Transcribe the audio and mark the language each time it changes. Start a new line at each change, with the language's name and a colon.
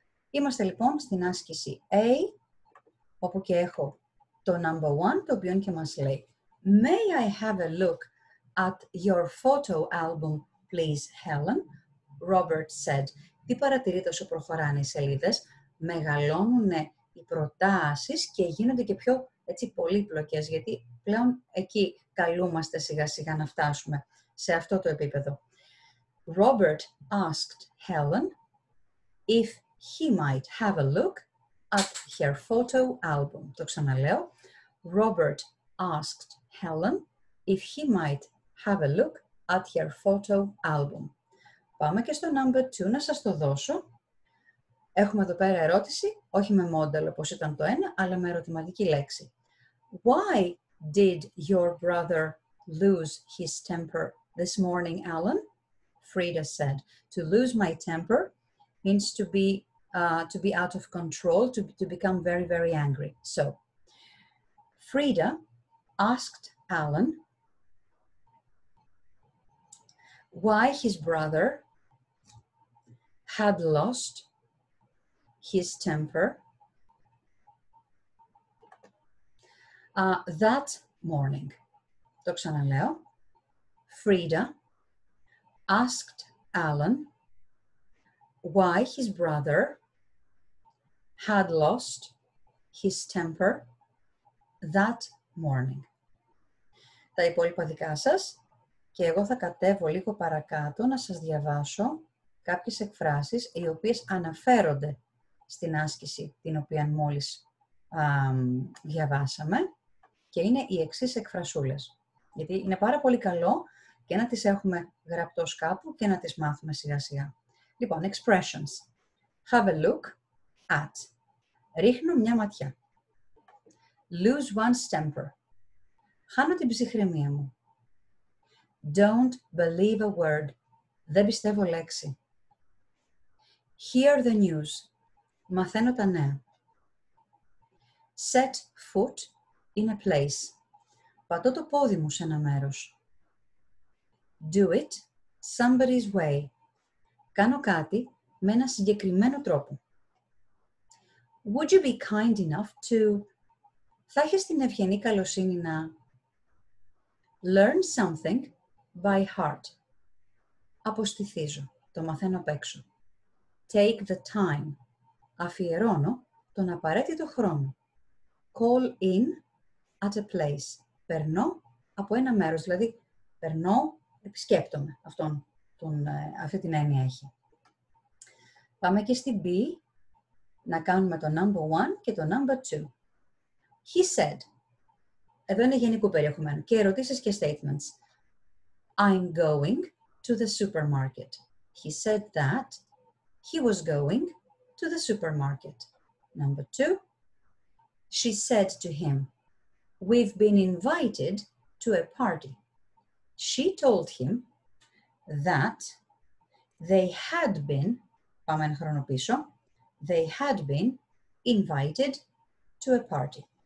Greek: Είμαστε λοιπόν στην άσκηση A, όπου και έχω το number 1, το οποίο και μας λέει
English: May I have a look at your photo album, please, Helen? Robert said.
Greek: Τι παρατηρείτε όσο προχωράνε οι σελίδες? Μεγαλώνουν οι προτάσεις και γίνονται και πιο έτσι πολύπλοκες, γιατί πλέον εκεί καλούμαστε σιγά σιγά να φτάσουμε σε αυτό το επίπεδο.
English: Robert asked Helen if he might have a look at her photo album.
Greek: Το ξαναλέω.
English: Robert asked Helen if he might have a look at her photo album.
Greek: Πάμε και στο number 2 να σας το δώσω. Έχουμε εδώ πέρα ερώτηση, όχι με model όπως ήταν το ένα, αλλά με ερωτηματική λέξη.
English: Why did your brother lose his temper this morning, Alan? Frida said. To lose my temper means to be out of control, to become very, very angry. So, Frida asked Alan why his brother had lost his temper that morning.
Greek: Το ξαναλέω.
English: Frida asked Alan why his brother had lost his temper that morning.
Greek: Τα υπόλοιπα δικά σας και εγώ θα κατέβω λίγο παρακάτω να σας διαβάσω κάποιες εκφράσεις οι οποίες αναφέρονται στην άσκηση την οποία μόλις διαβάσαμε και είναι οι εξής εκφρασούλες. Γιατί είναι πάρα πολύ καλό και να τις έχουμε γραπτός κάπου και να τις μάθουμε σιγά σιγά. Λοιπόν, expressions.
English: Have a look at.
Greek: Ρίχνω μια ματιά.
English: Lose one's temper.
Greek: Χάνω την ψυχραιμία μου.
English: Don't believe a word.
Greek: Δεν πιστεύω λέξη.
English: Hear the news.
Greek: Μαθαίνω τα νέα.
English: Set foot in a place.
Greek: Πατώ το πόδι μου σε ένα μέρος.
English: Do it somebody's way.
Greek: Κάνω κάτι με ένα συγκεκριμένο τρόπο.
English: Would you be kind enough to...
Greek: Θα έχεις την ευγενή καλοσύνη να...
English: Learn something by heart.
Greek: Αποστηθίζω. Το μαθαίνω απ' έξω.
English: Take the time.
Greek: Αφιερώνω τον απαραίτητο χρόνο.
English: Call in at a place.
Greek: Περνώ από ένα μέρος. Δηλαδή, περνώ, επισκέπτομαι. Αυτή την έννοια έχει. Πάμε και στην B. Να κάνουμε το number one και το number two.
English: He said.
Greek: Εδώ είναι γενικού περιεχομένου. Και ερωτήσεις και statements.
English: I'm going to the supermarket. He said that he was going to the supermarket. Number two. She said to him, we've been invited to a party. She told him that they had been,
Greek: πάμε ένα χρόνο πίσω,
English: they had been invited to a party.